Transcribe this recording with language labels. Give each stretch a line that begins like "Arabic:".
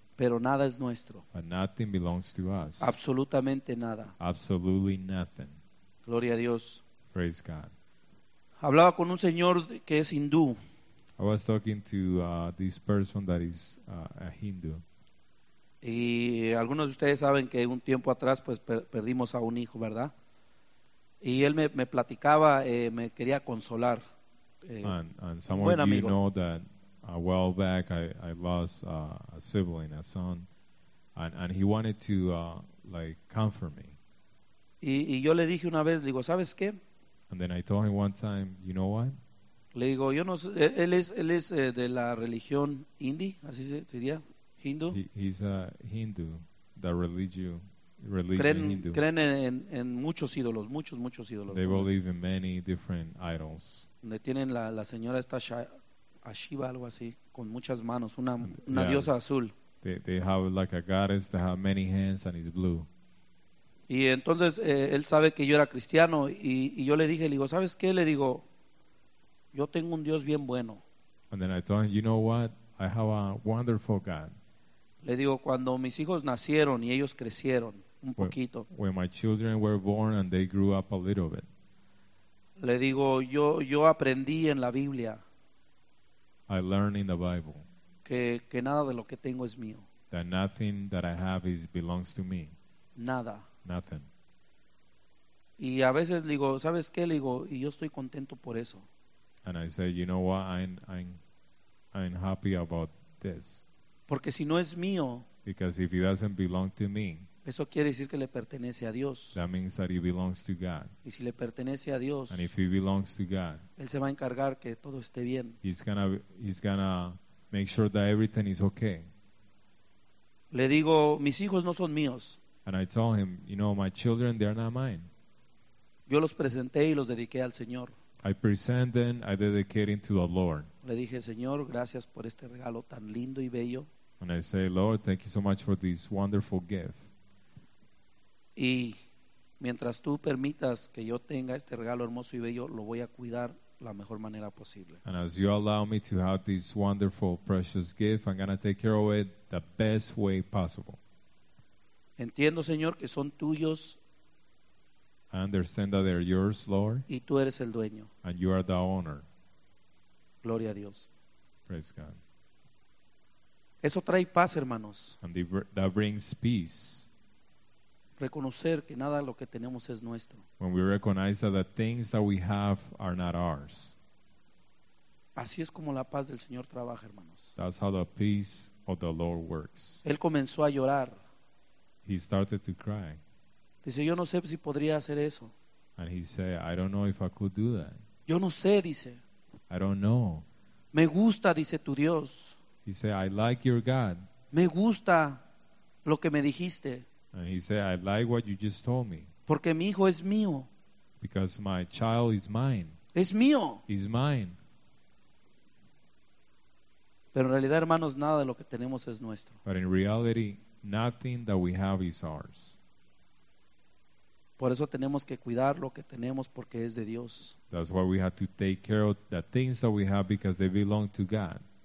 Spanish: Pero nada es nuestro.
English: But nothing belongs to us.
Spanish: Absolutamente nada.
English: Absolutely nothing.
Spanish: Gloria a Dios.
English: Praise God.
Spanish: Hablaba con un señor que es hindú.
English: I was talking to this person that is a Hindu.
Spanish: Y algunos de ustedes saben que un tiempo atrás pues perdimos a un hijo, ¿verdad? Y él me platicaba, me quería consolar.
English: And some of you know that a while back I lost a sibling, a son, and he wanted to comfort me.
Spanish: Y yo le dije una vez, le digo, ¿sabes qué?
English: And then I told him one time, you know what?
Spanish: Le digo, yo no sé, él es de la religión hindi, así sería, hindu.
English: He's a Hindu, the religion
Spanish: creen en muchos ídolos, muchos ídolos.
English: They believe in many different idols.
Spanish: Donde tienen la señora esta Shiva, algo así, con muchas manos, una diosa azul.
English: They have like a goddess that have many hands and is blue.
Spanish: Y entonces él sabe que yo era cristiano y yo le digo, ¿sabes qué? Le digo, yo tengo un Dios bien bueno.
English: And then I told him, you know what? I have a wonderful God.
Spanish: Le digo, cuando mis hijos nacieron y ellos crecieron un poquito.
English: When my children were born and they grew up a little bit.
Spanish: Le digo, yo aprendí en la Biblia.
English: I learned in the Bible.
Spanish: Que nada de lo que tengo es mío.
English: That nothing that I have belongs to me.
Spanish: Nada.
English: Nothing.
Spanish: Y a veces digo, ¿sabes qué? Le digo, y yo estoy contento por eso.
English: And I say, you know what? I'm happy about this.
Spanish: Porque si no es mío,
English: because if it doesn't belong to me,
Spanish: eso quiere decir que le pertenece a Dios.
English: That means that it belongs to God.
Spanish: Y si le pertenece a Dios,
English: and if it belongs to God,
Spanish: él se va a encargar que todo esté bien.
English: He's gonna make sure that everything is okay.
Spanish: Le digo, mis hijos no son míos.
English: And I told him, you know, my children, they're not mine.
Spanish: Yo los presenté y los dediqué al Señor.
English: I present them, I dedicate them to the Lord.
Spanish: Le dije, Señor, gracias por este regalo tan lindo y bello.
English: And I say, Lord, thank you so much for this wonderful gift.
Spanish: Y mientras tú permitas que yo tenga este regalo hermoso y bello, lo voy a cuidar la mejor manera posible.
English: And as you allow me to have this wonderful, precious gift, I'm going to take care of it the best way possible.
Spanish: Entiendo, Señor, que son tuyos.
English: I understand that they're yours, Lord.
Spanish: Y tú eres el dueño.
English: And you are the owner.
Spanish: Gloria a Dios.
English: Praise God.
Spanish: Eso trae paz, hermanos.
English: And that brings peace.
Spanish: Reconocer que nada lo que tenemos es nuestro.
English: When we recognize that the things that we have are not ours.
Spanish: Así es como la paz del Señor trabaja, hermanos.
English: That's how the peace of the Lord works.
Spanish: Él comenzó a llorar.
English: He started to cry.
Spanish: Dice, yo no sé si podría hacer eso.
English: And he said, I don't know if I could do that.
Spanish: Yo no sé, dice.
English: I don't know.
Spanish: Me gusta, dice tu Dios.
English: He said, I like your God.
Spanish: Me gusta lo que me dijiste.
English: And he said, I like what you just told me.
Spanish: Porque mi hijo es mío.
English: Because my child is mine.
Spanish: Es mío.
English: He's mine.
Spanish: Pero en realidad, hermanos, nada de lo que tenemos es nuestro.
English: But in reality, nothing that we have is ours.
Spanish: Por eso tenemos que cuidar lo que tenemos porque es de Dios.
English: That's why we have to take care of the things that we have because they belong to God.